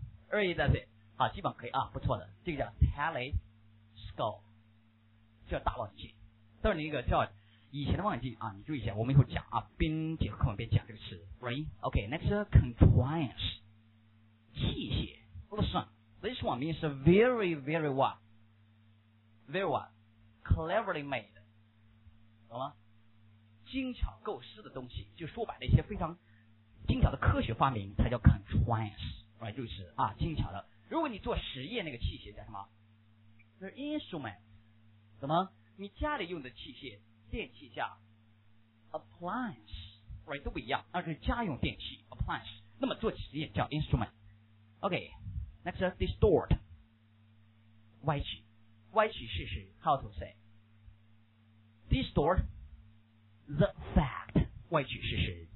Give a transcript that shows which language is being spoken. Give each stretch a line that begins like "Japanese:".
English: right, that's it,
Chinese: 好，基本可以啊，不错的，这个叫 telescope, 叫大望远镜，但是那个叫以前的望远镜啊，你注意一下，我们一会儿讲啊，边解课文边讲这个词 right, OK, next, contrivance, 器械。
English: Listen, this one means a very, very what? Very what? Cleverly made.
Chinese: 懂吗？精巧构思的东西，就说白了一些非常精巧的科学发明，它叫 contrivance, right? 就是啊，精巧的。如果你做实验那个器械叫什么？
English: 是 instrument.
Chinese: 懂吗？你家里用的器械，电器叫 appliance, right? 都不一样，那是家用电器 appliance. 那么做实验叫 instrument.
English: OK. Next, distort,
Chinese: 歪曲，歪曲事实
English: ，how to say? Distort the fact,
Chinese: 歪曲事实。